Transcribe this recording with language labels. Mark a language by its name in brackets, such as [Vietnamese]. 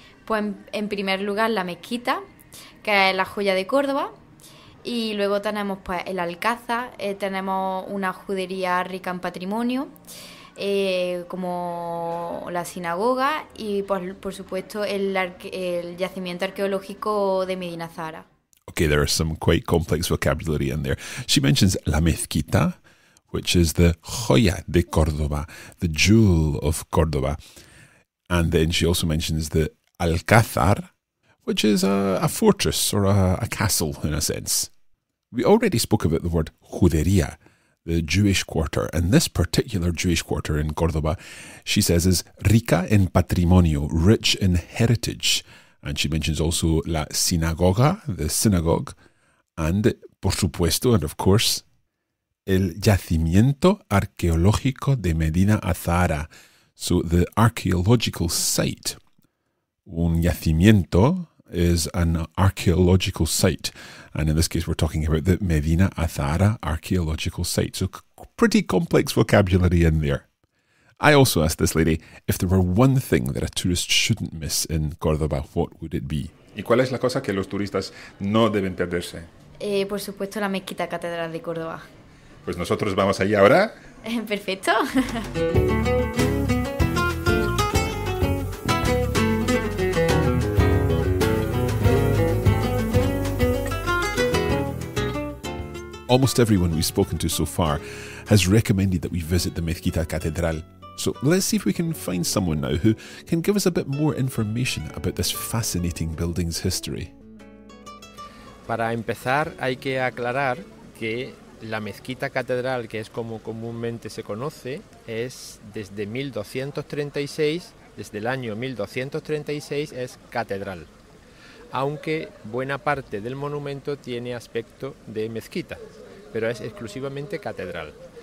[Spanish] Pues en primer lugar la mezquita, que es la joya de Córdoba, y luego tenemos pues el Alcázar, tenemos una judería rica en patrimonio, como la sinagoga y por supuesto el yacimiento arqueológico de Medina Zahara. [English] Okay, there are some quite complex vocabulary in there. She mentions [Spanish] la mezquita, [English] which is the [Spanish] joya de Córdoba, [English] the jewel of Córdoba, and then she also mentions the Alcázar, which is a fortress or a castle in a sense. We already spoke about the word Judería, the Jewish quarter, and this particular Jewish quarter in Córdoba, she says, is [Spanish] rica en patrimonio, [English] rich in heritage. And she mentions also [Spanish] la sinagoga, [English] the synagogue, and, [Spanish] por supuesto, [English] and of course, [Spanish] el yacimiento arqueológico de Medina Azahara, [English] so the archaeological site. [Spanish] Un yacimiento [English] is an archaeological site. And in this case, we're talking about the Medina Azahara archaeological site. So pretty complex vocabulary in there. I also asked this lady, if there were one thing that a tourist shouldn't miss in Córdoba, what would it be? [Spanish] ¿Y cuál es la cosa que los turistas no deben perderse? Por supuesto, la Mezquita Catedral de Córdoba. Pues nosotros vamos allí ahora. Perfecto. [English] Almost everyone we've spoken to so far has recommended that we visit the Mezquita Catedral. So let's see if we can find someone now who can give us a bit more information about this fascinating building's history. [Spanish] Para empezar, hay que aclarar que la Mezquita Catedral, que es como comúnmente se conoce, es desde 1236, desde el año 1236, es catedral. Aunque buena parte del monumento tiene aspecto de mezquita, pero es exclusivamente catedral.